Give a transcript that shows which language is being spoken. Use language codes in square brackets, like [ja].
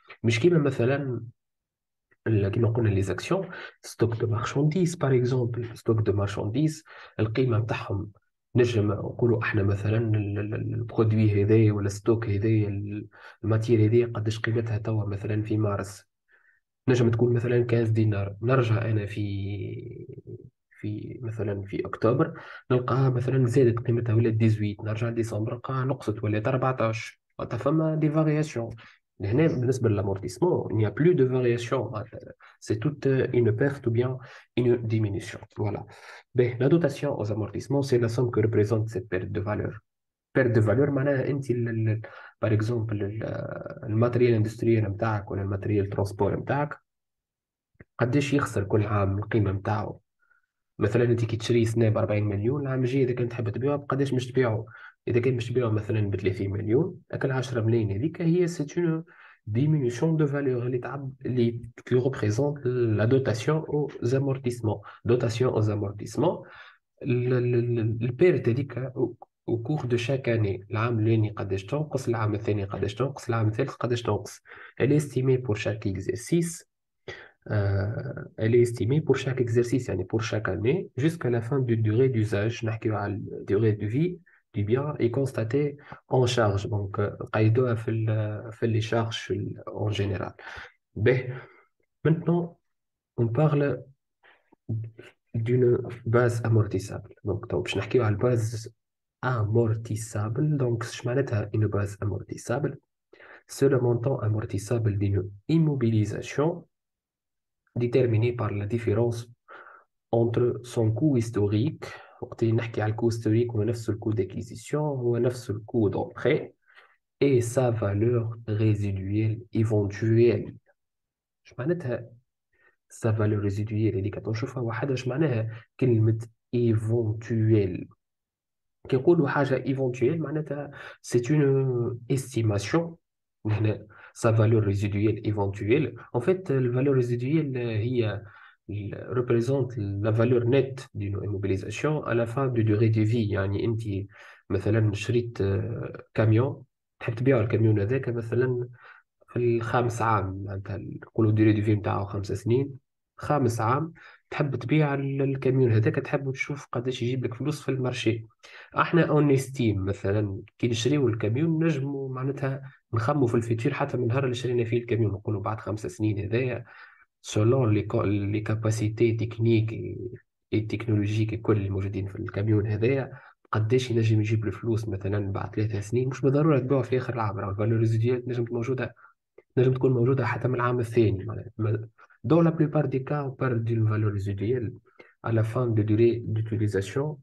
[ar] مش كيما مثلا كيما قلنا لي زاكسيون، ستوك دو مارشانديز بار اكزومبل، ستوك دو مارشانديز القيمة نتاعهم نجم نقولوا احنا مثلا البرودوي هذا ولا ستوك هذا الماتير هذا قداش قيمتها توا مثلا في مارس، نجم تكون مثلا 15 دينار، نرجع انا في مثلا في اكتوبر نلقاها مثلا زادت قيمتها ولا 18، نرجع ديسمبر نلقاها نقصت ولا 14، معناتها فما دي فارياسيون. هنا بالنسبه للامورتيسمون [fr] il n'y a plus de variation، c'est toute une perte ou bien une diminution. Voilà. Beh, la dotation aux amortissements, c'est la somme que représente cette perte de valeur. [ar] بيرد دو فالور معناها انت بار اكزومبل الماتريال اندستريال نتاعك ولا الماتريال ترانسبور نتاعك قداش يخسر كل عام القيمه نتاعه. مثلا انت كي تشري سناب 40 مليون، العام الجاي اذا كنت تحب تبيعه بقداش مش تبيعه، اذا كان مش تبيعه مثلا ب 30 مليون، اكل 10 ملايين هذيك هي سيت اون ديمينيسيون دو فالور اللي تعب اللي كي ريبريزونت لا دوتاسيون او زامورتيسمون. دوتاسيون او زامورتيسمون البيرد هذيك [fr] au cours de chaque année، [ar] العام الاولاني قداش تنقص، العام الثاني قداش تنقص، العام الثالث قداش تنقص. [fr] elle est estimée pour chaque exercice، elle est estimée pour chaque exercice يعني pour chaque année jusqu'à la fin du durée d'usage، [ar] نحكي على [fr] durée de vie du bien et constatée en charge، donc [ar] قايدوها في لي شارج [fr] en général. beh maintenant on parle d'une base amortissable، donc [ar] باش نحكيو على [fr] base amortissable. Donc, je m'arrête à une base amortissable. C'est le montant amortissable d'une immobilisation déterminé par la différence entre son coût historique. Quand on parle du coût historique, on a le coût d'acquisition, on a le coût d'entrée et sa valeur résiduelle éventuelle. Je m'arrête à sa valeur résiduelle. Et quand on chauffe à une, je m'arrête à كلمة éventuelle. [ar] كي نقولوا حاجة ايفونتويل معناتها سي اون استيماسيون، هنا سا فالور ريزيدويل ايفونتويل، ان فيت الفالور ريزيدويل هي ريبريزونت لا فالور نت دي نو ايموبيليزاسيون على فان دو دوري دي في. يعني انت مثلا شريت كاميون تحب تبيع الكاميون هذاك مثلا في الخامس عام، معناتها نقولوا دوري دي في نتاعه 5 سنين، خامس عام تحب تبيع الكاميون هذاك، تحب تشوف قداش يجيب لك فلوس في المارشي. احنا اون استيم مثلا كي نشريو الكاميون نجمو معناتها نخمو في الفيتير حتى من نهار اللي شرينا فيه الكاميون، نقولوا بعد 5 سنين هذايا سولون لي كاباسيتي تكنيك اي تكنولوجيك كل الموجودين في الكاميون هذايا قداش ينجم يجيب الفلوس مثلا بعد 3 سنين، مش بالضروره تبيعه في اخر العام، راه الفالور ريزيديوال نجم موجوده، نجم تكون موجوده حتى من العام الثاني. [fr] Dans la plupart des cas, on parle d'une valeur résiduelle à la fin de durée d'utilisation.